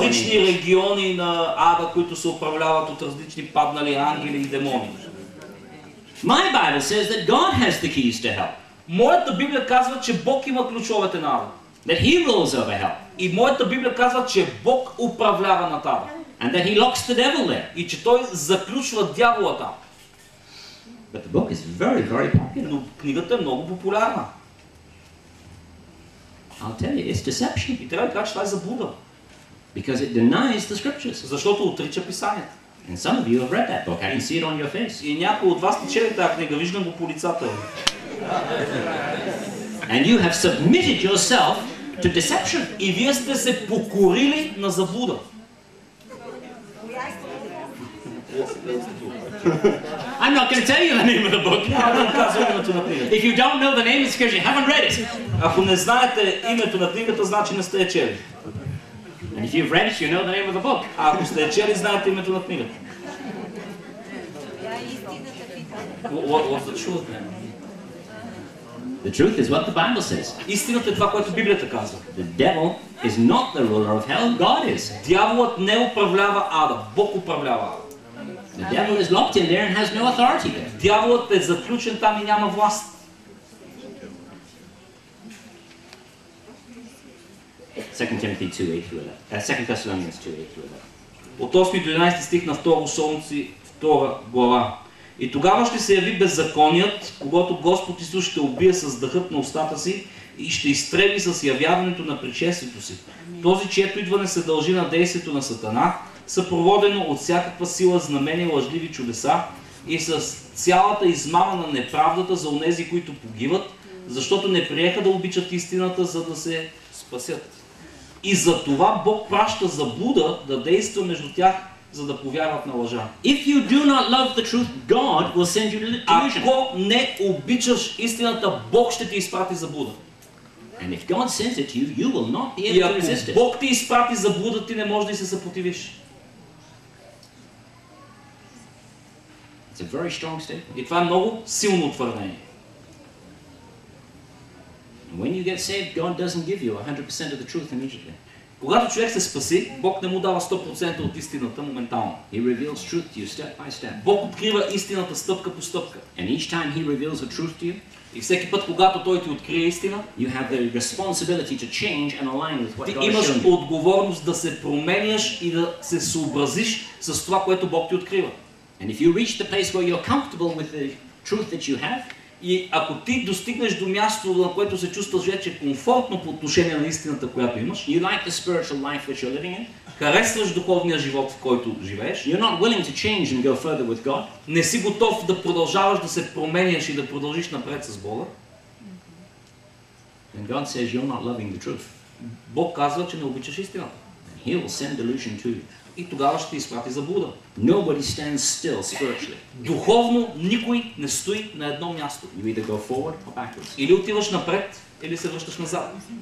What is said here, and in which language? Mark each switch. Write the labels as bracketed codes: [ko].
[bg] Различни региони на ада, които се управляват от различни паднали ангели и демони. [en] My Bible says that God has the keys to hell. [bg] Моята Библия казва, че Бог има ключовете на ада. [en] That he rules over hell. [bg] И моята Библия казва, че Бог управлява на ада. [en] And that he locks the devil there. [bg] И че той заключва дявола там. [en] But the book is very, very popular. [bg] Но книгата е много популярна. [en] I'll tell you, it's deception. [bg] И трябва да кажа, че това е заблуда. [en] Because it denies the scriptures. [bg] Защото отрича писанието. [en] And some of you have read that book. I can see it on your face. [bg] И някои от вас чели тази книга, виждам го по лицата ви. [en] And you have submitted yourself to deception. [bg] И вие сте се покорили на заблуда. [en] I'm not going to tell you the name of the book. If you don't know the name, it's because you haven't read it. [bg] Ако не знаете името на книгата, значи не сте чели. [en] And if you've read it, you know the name of the book. [bg] Ако сте чели, знаете името на книгата. [en] What's the truth, man? The truth is what the Bible says. [bg] Истината е това, което Библията казва. [en] The devil is not the ruler of hell. God is. [bg] Дяволът не управлява ада. Бог управлява ада. [en] The devil is locked in there and has no authority there. [bg] Дяволът е заключен там и няма власт. [en] Second Thessalonians 2:8-11. [bg] От 8 до 11 стих на 2 Солунци, 2 глава. И тогава ще се яви беззаконият, когато Господ Исус ще убие с дъхът на устата си и ще изстрели с явяването на пришествието си. Този, чието идване се дължи на действието на Сатана, съпроводено от всякаква сила, знамения, лъжливи чудеса и с цялата измама на неправдата за онези, които погиват, защото не приеха да обичат истината, за да се спасят. И за това Бог праща заблуда да действа между тях, за да повярват на лъжа. [en] If you do not love the truth, God will send you to delusion. [bg] Ако не обичаш истината, Бог ще ти изпрати заблуда. [en] And if God sends it to you, you will not be able to resist it. [bg] И ако Бог ти изпрати заблуда, ти не можеш да се съпротивиш. [en] It's a very strong statement. [bg] И това е много силно утвърдение. [en] When you get saved, God doesn't give you 100% of the truth immediately. [bg] Когато човек се спаси, Бог не му дава 100% от истината моментално. [en] He reveals truth to you step by step. [bg] Бог открива истината стъпка по стъпка. [en] And each time he reveals the truth to you, [bg] и всеки път, когато той ти открие истина, [en] you have the responsibility to change and align with what God shows. [bg] Ти имаш отговорност да се променяш и да се съобразиш с това, което Бог ти открива. [en] And if you reach the place where you're comfortable with the truth that you have, [bg] и ако ти достигнеш до място, на което се чувстваш вече комфортно по отношение на истината, която имаш, [en] you like the spiritual life which you're living in, [bg] харесваш духовния живот, в който живееш, [en] you're not willing to change and go further with God, [bg] не си готов да продължаваш да се променяш и да продължиш напред с Бога, [en] then God says you're not loving the truth. [bg] Бог казва, че не обичаш истината. [en] And he will send delusion to you. [bg] И тогава ще ти изпрати заблуда. [en] Nobody stands still spiritually. [bg] Духовно никой не стои на едно място. [en] You either go forward or backwards. [bg] Или отиваш напред, или се връщаш назад.